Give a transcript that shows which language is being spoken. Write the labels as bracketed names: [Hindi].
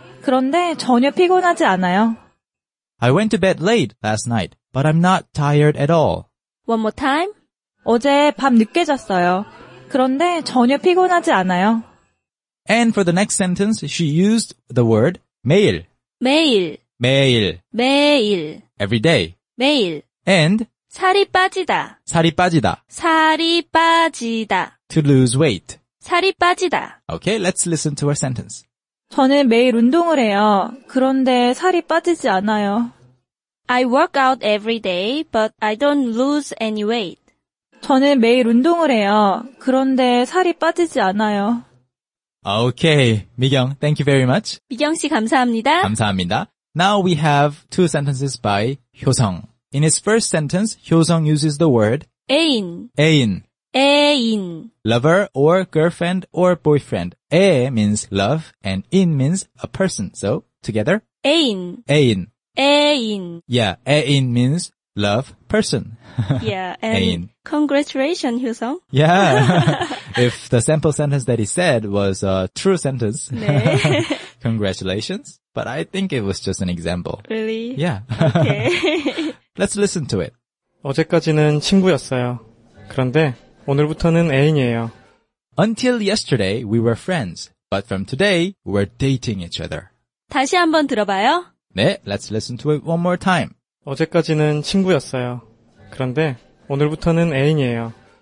[Korean] 그런데 전혀 피곤하지 않아요. [English] I went to bed late last night, but I'm not tired at all. One more time. [Korean] 어제 밤 늦게 잤어요. 그런데 전혀 피곤하지 않아요. [English] And for the next sentence, she used the word 매일. [Korean] 매일. 매일. 매일. [English] Every day. [Korean] 매일. [English] And [Korean] 살이 빠지다. 살이 빠지다. 살이 빠지다. [English] To lose weight. [Korean] 살이 빠지다. [English] Okay, let's listen to her sentence. [Korean] 저는 매일 운동을 해요. 그런데 살이 빠지지 않아요. [English] I work out every day, but I don't lose any weight. [Korean] 저는 매일 운동을 해요. 그런데 살이 빠지지 않아요. [English] Okay, 미경, thank you very much. [Korean] 미경 씨, 감사합니다. 감사합니다. [English] Now we have two sentences by 효성. In his first sentence, 효성 uses the word [Korean] 애인. 애인. 애인. [English] Lover or girlfriend or boyfriend. 애 means love and 인 means a person. So, together. [Korean] 애인. 애인. 애인. [English] Yeah, 애인 means love, person. Yeah, and 애인. Congratulations, 효성. Yeah. If the sample sentence that he said was a true sentence, 네. Congratulations. But I think it was just an example. Really? Yeah. Okay. Let's listen to it. [Korean] 어제까지는 친구였어요. 그런데 오늘부터는 애인이에요. [English] Until yesterday, we were friends. But from today, we're dating each other. [Korean] 다시 한번 들어봐요. 네, [English] let's listen to it one more time. [Korean] 어제까지는 친구였어요. 그런데 오늘부터는 애인이에요.